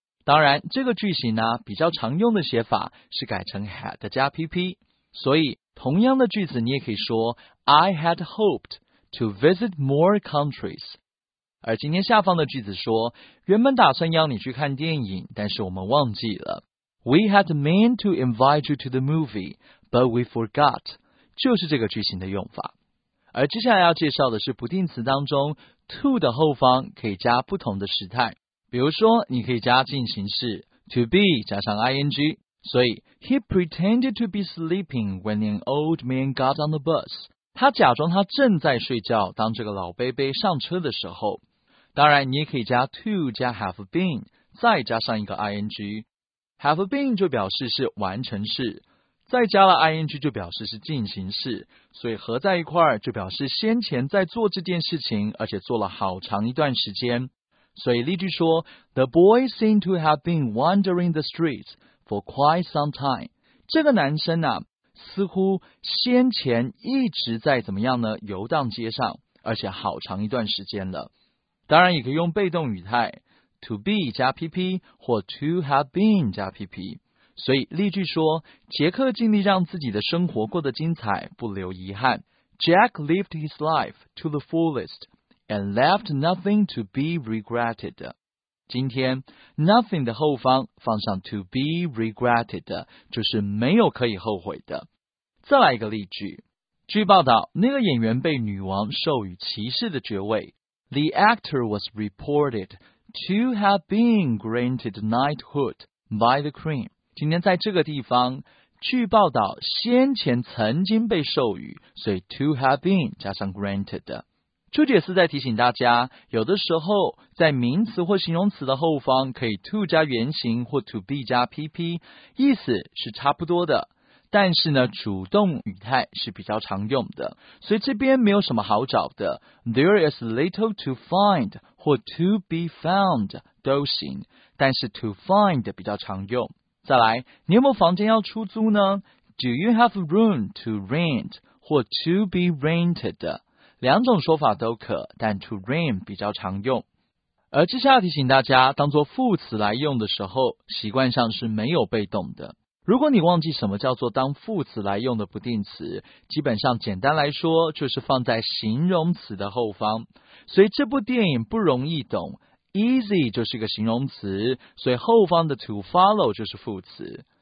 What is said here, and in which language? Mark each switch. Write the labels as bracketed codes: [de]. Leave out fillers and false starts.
[zh] 当然，这个句型呢，比较常用的写法是改成 had 加 PP。所以，同样的句子你也可以说 [en] I had hoped to visit more countries。 [zh] 而今天下方的句子说，原本打算邀你去看电影，但是我们忘记了。 [en] We had meant to invite you to the movie, but we forgot. [zh] 就是这个句型的用法。而接下来要介绍的是不定词当中 to 的后方可以加不同的时态。比如说你可以加进行式 to be 加上 ing。 [en] 所以 He pretended to be sleeping when an old man got on the bus. [zh] 他假装他正在睡觉，当这个老伯伯上车的时候。当然你也可以加 to 加 have been 再加上一个 ing， have been 就表示是完成式，再加了 ing 就表示是进行式，所以合在一块就表示先前在做这件事情，而且做了好长一段时间。 [en] 所以例句说 The boy seemed to have been wandering the streets for quite some time。 [zh] 这个男生啊似乎先前一直在怎么样呢，游荡街上，而且好长一段时间了。当然也可以用被动语态 to be 加 PP 或 to have been 加 PP。所以例句说，杰克尽力让自己的生活过得精彩，不留遗憾。 [en] Jack lived his life to the fullest and left nothing to be regretted。 [zh] 今天 nothing 的后方放上 to be regretted， 就是没有可以后悔的。再来一个例句，据报道那个演员被女王授予骑士的爵位， [en] The actor was reported to have been granted knighthood by the queen。 [zh] 今天在这个地方据报道先前曾经被授予，所以 to have been 加上 granted。注解四在提醒大家，有的时候在名词或形容词的后方可以 to 加原形或 to be 加 PP， 意思是差不多的，但是呢主动语态是比较常用的，所以这边没有什么好找的。 [en] There is little to find 或 to be found 都行，但是 to find 比较常用。 [zh] 再来，你有没有房间要出租呢？ [en] Do you have room to rent 或 to be rented？ [zh] 两种说法都可，但 to rent 比较常用。而接下来提醒大家，当作副词来用的时候，习惯上是没有被动的。如果你忘记什么叫做当副词来用的不定词，基本上简单来说就是放在形容词的后方。所以这部电影不容易懂， easy 就是一个形容词，所以后方的 to follow 就是副词。